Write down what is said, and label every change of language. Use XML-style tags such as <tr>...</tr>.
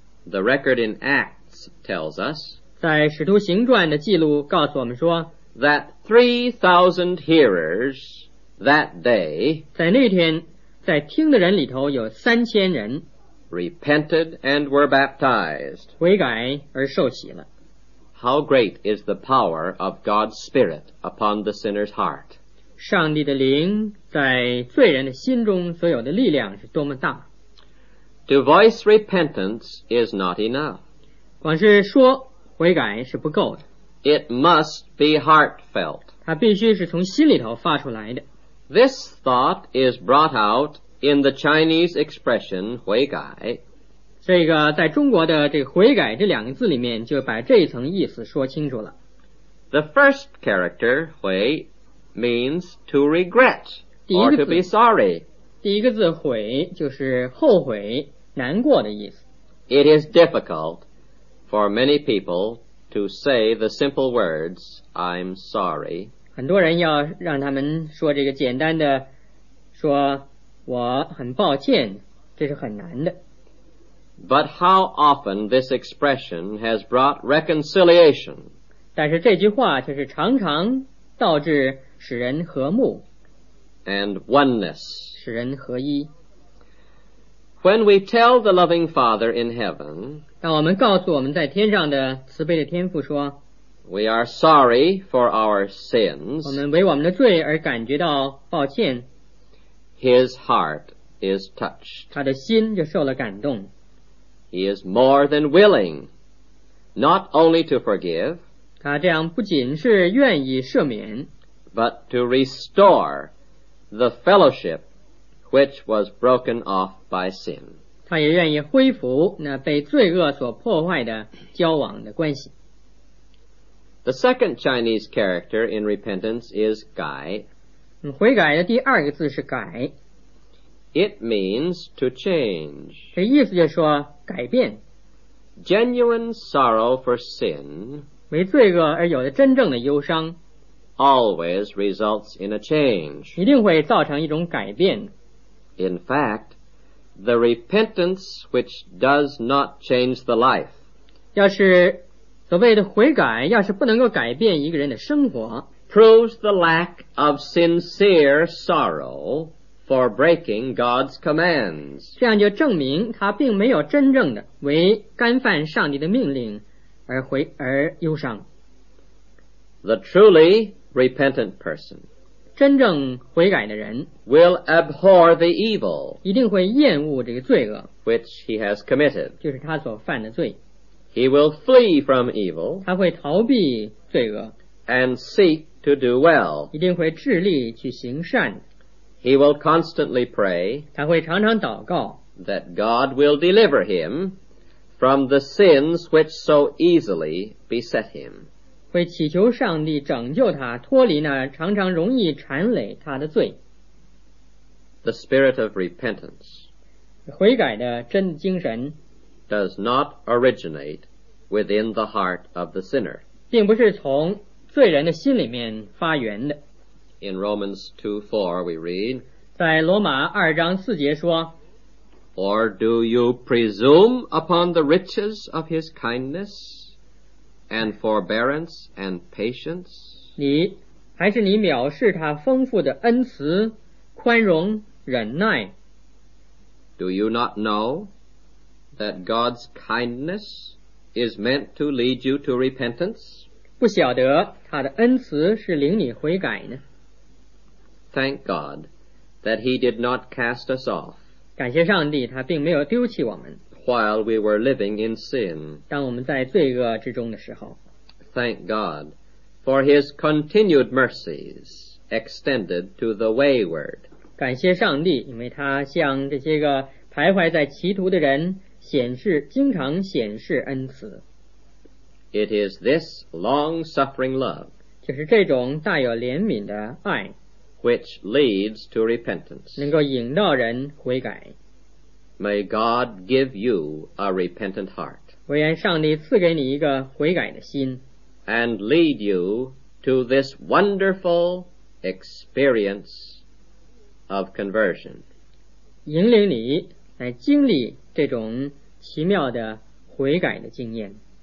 <en>The record in Acts tells us,</en> <zh>在使徒行传的记录告诉我们说,</zh> <en>that 3,000 hearers that day,</en> <zh>在那天,在听的人里头有三千人,</zh> <en>repented and were baptized.</en> <zh>悔改而受洗了。</zh> <en>How great is the power of God's Spirit upon the sinner's heart?</en> <zh>上帝的灵在罪人的心中所有的力量是多么大。</zh> <en>To voice repentance is not enough.</en> <zh>光是说悔改是不够的。</zh> <en>It must be heartfelt.</en> <zh>它必须是从心里头发出来的。</zh> <en>This thought is brought out in the Chinese expression 悔改。</en> <zh>这个在中国的这个悔改这两个字里面就把这一层意思说清楚了。</zh> <en>The first character 悔 means to regret or to be sorry.</en> <zh>第一个字悔就是后悔难过的意思。</zh> <en>It is difficult for many people to say the simple words, I'm sorry.</en> <zh>很多人要让他们说这个简单的说我很抱歉，这是很难的。</zh> <en>But how often this expression has brought reconciliation.</en> <zh>但是这句话却是常常导致使人和睦。</zh> <en>And oneness.</en> <zh>使人合一。</zh> <en>When we tell the loving Father in heaven,</en> <zh>当我们告诉我们在天上的慈悲的天父说</zh> <en>,We are sorry for our sins,</en> <zh>我们为我们的罪而感觉到抱歉</zh> <en>,His heart is touched.</en> <zh>他的心就受了感动。</zh> <en>He is more than willing, not only to forgive,</en> <zh>他这样不仅是愿意赦免</zh> <en>,but to restore the fellowship which was broken off by sin.</en> <zh>他也愿意恢复那被罪恶所破坏的交往的关系。</zh> <en>The second Chinese character in repentance is 改。</en> <zh>悔改的第二个字是改。</zh> <en>It means to change.</en> <zh>这意思就是说改变。</zh> <en>Genuine sorrow for sin</en> <zh>为罪恶而有的真正的忧伤</zh> <en>always results in a change.</en> <zh>一定会造成一种改变。</zh> <en>In fact, the repentance which does not change the life.</en> <zh>要是所谓的悔改要是不能够改变一个人的生活</zh> <en>proves the lack of sincere sorrow for breaking God's commands.</en> <zh>这样就证明他并没有真正的为干犯上帝的命令而忧伤。</zh> <en>The truly repentant person.</en> <zh>真正悔改的人</zh> <en>will abhor the evil.</en> <zh>一定会厌恶这个罪恶</zh> <en>which he has committed.</en> <zh>就是他所犯的罪。</zh> <en>He will flee from evil.</en> <zh>他会逃避罪恶</zh> <en>and seek to do well.</en> <zh>一定会致力去行善。</zh> <en>He will constantly pray</en> <zh>他会常常祷告</zh> <en>that God will deliver him from the sins which so easily beset him.</en> <zh>会祈求上帝拯救他脱离那常常容易缠累他的罪。</zh> <en>The spirit of repentance</en> <zh>悔改的真精神</zh> <en>does not originate within the heart of the sinner.</en> <zh>并不是从罪人的心里面发源的。</zh> <en>In Romans 2:4 we read,</en> <zh>在罗马二章四节说</zh> <en>Or do you presume upon the riches of his kindness and forbearance and patience?</en> <zh>你还是你藐视他丰富的恩慈宽容忍耐。</zh> <en>Do you not know that God's kindness is meant to lead you to repentance?</en> <zh>不晓得他的恩慈是领你悔改呢。</zh> <en>Thank God that he did not cast us off.</en> <zh>感谢上帝他并没有丢弃我们。</zh> <en>While we were living in sin.</en> <zh>当我们在罪恶之中的时候。</zh> <en>Thank God for his continued mercies extended to the wayward.</en> <zh>感谢上帝因为他向这些个徘徊在歧途的人经常显示恩慈。</zh> <en>It is this long-suffering love.</en> <zh>就是这种大有怜悯的爱。</zh> <en>Which leads to repentance.</en> <zh>能够引导人悔改。</zh> <en>May God give you a repentant heart.</en> <zh>我愿上帝赐给你一个悔改的心。</zh> <en>And lead you to this wonderful experience of conversion.</en> <zh>引领你来经历这种奇妙的悔改的经验。</zh>